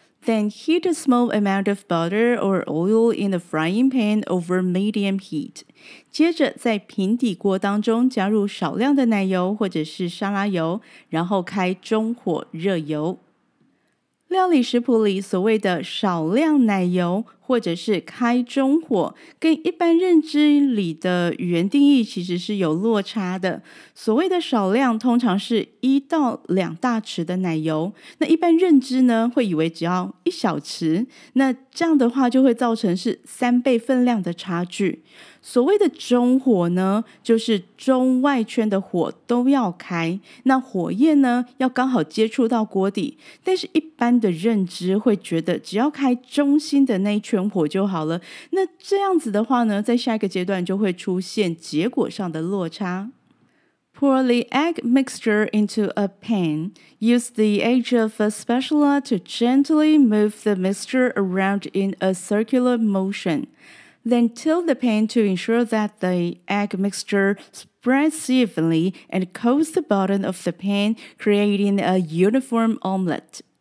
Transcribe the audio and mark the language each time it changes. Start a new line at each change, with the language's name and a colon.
English: Then heat a small amount of butter or oil in the frying pan over medium heat.
Chinese: 接着在平底锅当中加入少量的奶油或者是沙拉油，然后开中火热油。料理食谱里所谓的少量奶油或者是开中火，跟一般认知里的语言定义其实是有落差的。所谓的少量通常是1到2大匙的奶油，那一般认知呢会以为只要1小匙，那这样的话就会造成是3倍分量的差距。所谓的中火呢，就是中外圈的火都要开，那火焰呢要刚好接触到锅底，但是一般的认知会觉得只要开中心的那一圈火就好了，那这样子的话呢，在下一个阶段就会出现结果上的落差。
English: Pour the egg mixture into a pan. Use the edge of a spatula to gently move the mixture around in a circular motion. Then tilt the pan to ensure that the egg mixture spreads evenly and coats the bottom of the pan, creating a uniform omelet.